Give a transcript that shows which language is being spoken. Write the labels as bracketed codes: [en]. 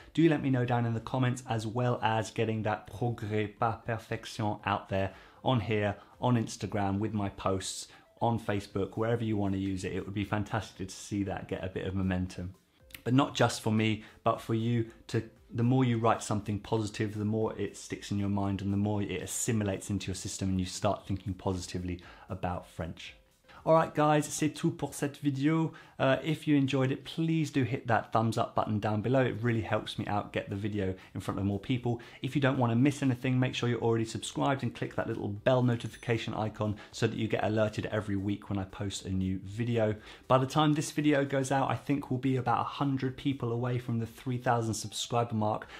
[en] Do let me know down in the comments, as well as getting that [fr] progrès pas perfection [en] out there on here, on Instagram, with my posts, on Facebook, wherever you want to use it. It would be fantastic to see that get a bit of momentum. But not just for me, but for you. The more you write something positive, the more it sticks in your mind and the more it assimilates into your system and you start thinking positively about French. All right, guys, [fr] c'est tout pour cette vidéo. [en] If you enjoyed it, please do hit that thumbs up button down below. It really helps me out get the video in front of more people. If you don't want to miss anything, make sure you're already subscribed and click that little bell notification icon so that you get alerted every week when I post a new video. By the time this video goes out, I think we'll be about 100 people away from the 3,000 subscriber mark.